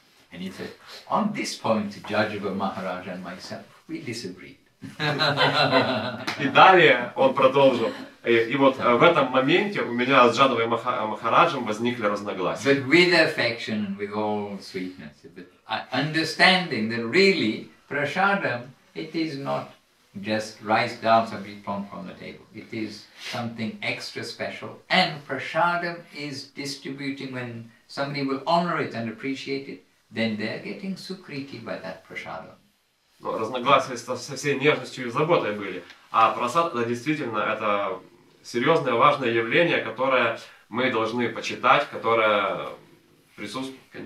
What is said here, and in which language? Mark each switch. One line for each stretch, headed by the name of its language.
English: And he said, on this point, Jajava Maharaj and myself, we disagreed.
Russian: И далее он продолжил. И вот в этом моменте у меня с Джадавой Махараджем возникли разногласия.
English: But with affection and with all sweetness, but understanding that really, prasadam, it is not just rice, dal, sabji, pom from the table. It is something extra special. And prasadam is distributing when somebody will honor it and appreciate it, then they're getting sukriti by that prasadam.
Russian: Но разногласия со всей нежностью и заботой были. А прасад, да, действительно, это серьезное, важное явление, которое мы должны почитать, которое присутствует.